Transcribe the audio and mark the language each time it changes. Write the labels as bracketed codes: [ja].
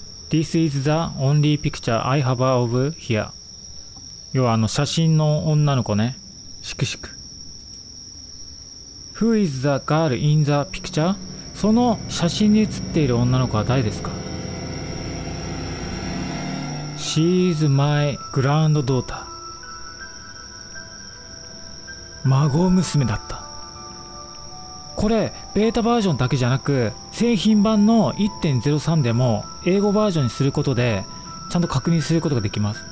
[en] This is the only picture I have of here。 [ja] 要はあの写真の女の子ね。しくしく。 [en] Who is the girl in the picture？ [ja] その写真に写っている女の子は誰ですか ？ [en] She is my granddaughter。 [ja] 孫娘だった。これベータバージョンだけじゃなく、製品版の 1.03 でも英語バージョンにすることでちゃんと確認することができます。